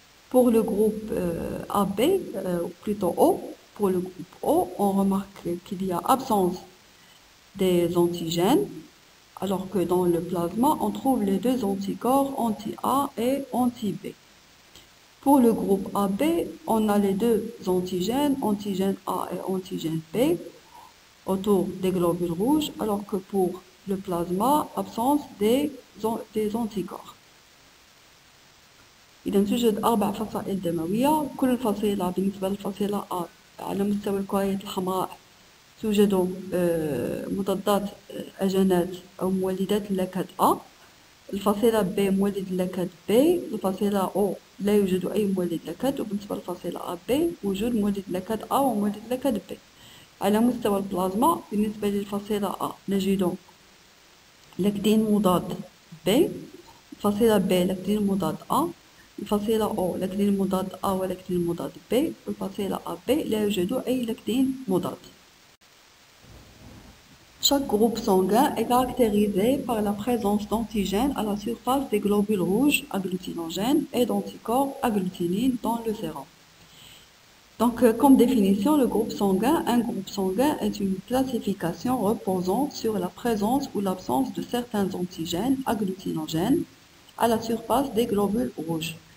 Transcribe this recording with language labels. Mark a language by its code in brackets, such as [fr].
[fr] Pour le groupe AB, plutôt O, pour le groupe O, on remarque qu'il y a absence des antigènes, alors que dans le plasma, on trouve les deux anticorps anti-A et anti-B. Pour le groupe AB, on a les deux antigènes A et antigènes B, autour des globules rouges, alors que pour le plasma, absence des anticorps. [ar] إذا توجد أربع فصائل دموية، كل فصيلة بالنسبة للفصيلة A على مستوى الكريات الحمراء توجد مضادات أجنات أو مولدات لكد A، الفصيلة B مولد لكد B، الفصيلة O لا يوجد أي مولد لكد، وبالنسبة للفصيلة AB وجود مولد لكد A ومولد لكد B. على مستوى البلازما بالنسبة للفصيلة A نجد لكدين مضاد B، الفصيلة B لكدين مضاد A. الفصيلة O لكدين مضاد A ولكدين مضاد B والفصيلة AB لا يوجد أي لكدين مضاد. [fr] Chaque groupe sanguin est caractérisé par la présence d'antigènes à la surface des globules rouges agglutinogènes et d'anticorps agglutinines dans le sérum. Donc, comme définition, le groupe sanguin, un groupe sanguin est une classification reposant sur la présence ou l'absence de certains antigènes agglutinogènes à la surface des globules rouges.